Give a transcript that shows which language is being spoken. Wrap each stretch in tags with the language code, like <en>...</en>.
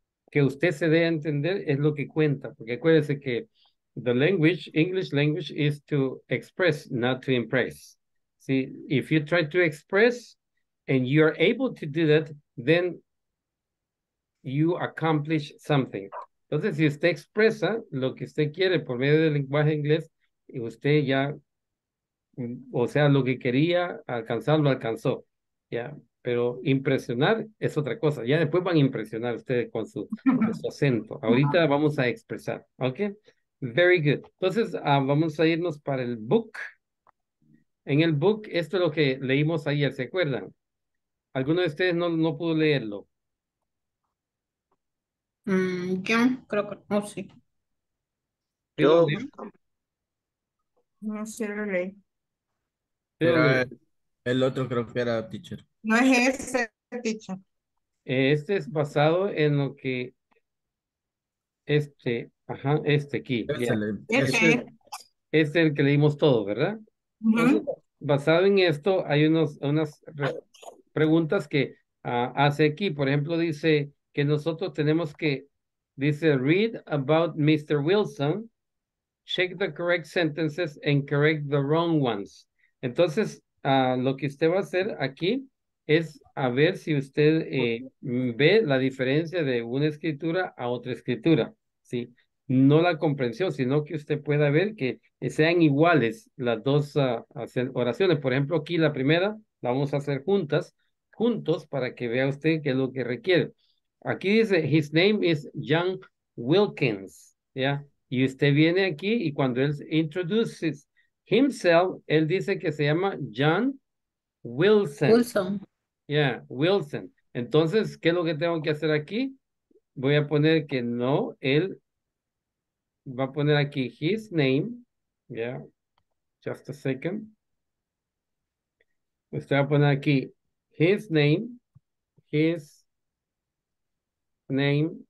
<es>Que usted se dé a entender es lo que cuenta, porque acuérdese que</es> <en>the language, English language, is to express, not to impress. See, if you try to express and you're able to do that, then you accomplish something.</en> <es>Entonces, si usted expresa lo que usted quiere por medio del lenguaje inglés, y usted ya, o sea, lo que quería alcanzar, lo alcanzó, ¿ya? Pero impresionar es otra cosa. Ya después van a impresionar ustedes con su acento. Ahorita vamos a expresar, ¿ok?</es> <en>Very good.</en> <es>Entonces, vamos a irnos para el book. En el book, esto es lo que leímos ayer, ¿se acuerdan? ¿Alguno de ustedes no pudo leerlo? Yo creo que no sé. ¿Sí lo leo? no sé lo leí. Era el otro, creo que era teacher. No es ese teacher. Este es basado en lo que este aquí, ya. Yeah. Este es el que leímos todo, ¿verdad? Entonces, basado en esto, hay unas preguntas que hace aquí. Por ejemplo, dice que nosotros tenemos que, dice,</es> <en>read about Mr. Wilson, check the correct sentences and correct the wrong ones.</en> <es>Entonces, lo que usted va a hacer aquí es a ver si usted ve la diferencia de una escritura a otra escritura, ¿sí? No la comprensión, sino que usted pueda ver que sean iguales las dos oraciones. Por ejemplo, aquí la primera la vamos a hacer juntos para que vea usted qué es lo que requiere. Aquí dice,</es> <en>his name is John Wilkins,</en> <es>¿ya? Y usted viene aquí y cuando él</es> <en>introduces himself,</en> <es>él dice que se llama John Wilson. Wilson.</es> <en>Yeah, Wilson.</en> <es>Entonces, ¿qué es lo que tengo que hacer aquí? Voy a poner que no, él va a poner aquí</es> <en>his name. Yeah, just a second.</en> <es>Usted va a poner aquí</es> <en>his name is not</en>